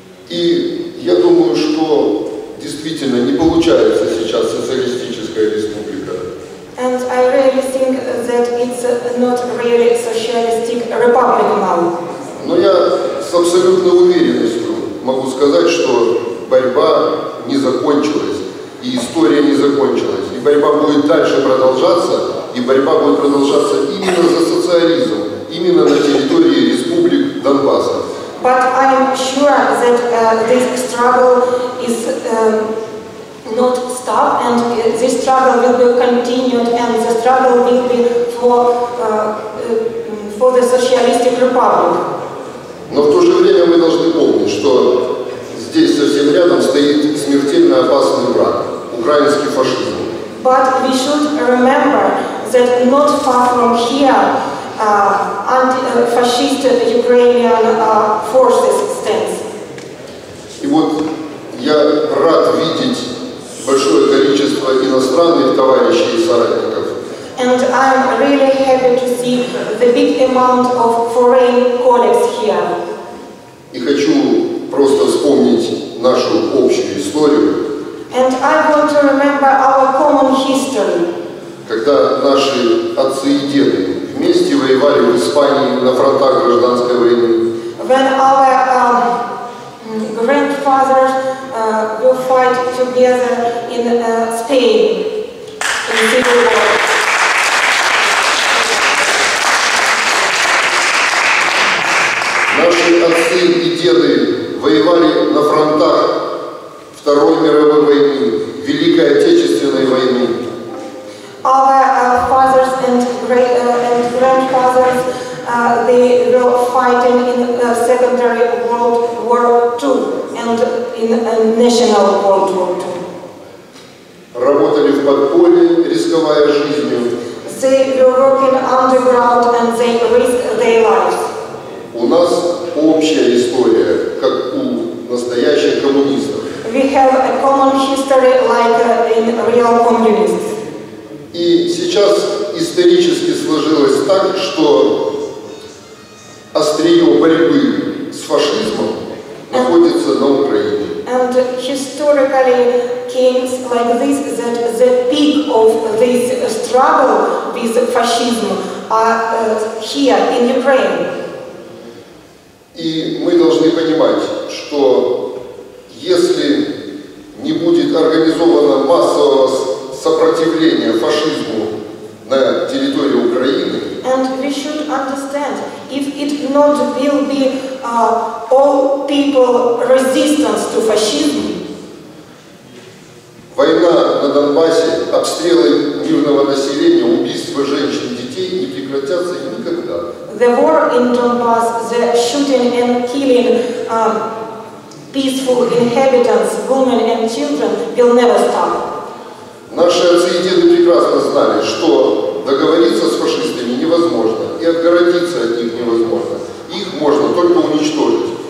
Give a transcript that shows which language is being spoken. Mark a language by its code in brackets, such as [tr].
[ru] И я думаю, что действительно не получается сейчас социалистическая республика. [en] And I really think that it's not really socialistic republic now. [ru] Но я с абсолютной уверенностью могу сказать, что борьба не закончилась, и история не закончилась. И борьба будет дальше продолжаться, и борьба будет продолжаться именно за социализм, именно на территории республик Донбасса. [en] But I am sure that this struggle is not stopped, and this struggle will be continued, and the struggle will be for the socialist republic. [ru] Но в то же время мы должны помнить, что здесь совсем рядом стоит смертельно опасный враг — украинский фашизм. [en] But we should remember that not far from here, anti-fascist Ukrainian forces stand. [ru] И вот я рад видеть большое количество иностранных товарищей и соратников. [en] And I'm really happy to see the big amount of foreign colleagues here. [ru] И хочу просто вспомнить нашу общую историю. [en] And I want to remember our common history. [ru] Когда наши отцы и деды вместе воевали в Испании на фронтах гражданской войны. [en] When our grandfathers will fight together in Spain in civil war. [ru] Наши отцы и деды воевали на фронтах Второй мировой войны, Великой Отечественной войны. [en] Our fathers and grandfathers, they were fighting in the Secondary World War II and in the National World War II. [ru] Работали в подполье, рисковая жизнью. [en] They were working underground and they risked their lives. [ru] У нас общая история, как у настоящих коммунистов. [en] We have a common history like in real communists. [ru] И сейчас исторически сложилось так, что острие борьбы с фашизмом находится на Украине. [en] And historically came like this, that the peak of this struggle with fascism are here in Ukraine. [ru] И мы должны понимать, что если не будет организовано массового сопротивления фашизму на территории Украины, [en] and we should understand, if it not will be all people resistance to fascism, [ru] война на Донбассе, обстрелы мирного населения, убийства женщин, детей не прекратятся никогда. [en] The war in Donbas, the shooting and killing peaceful inhabitants, women and children, will never stop. [ru] Наши отцы и деды прекрасно знали, что договориться с фашистами невозможно, и отгородиться от них невозможно. Их можно только уничтожить.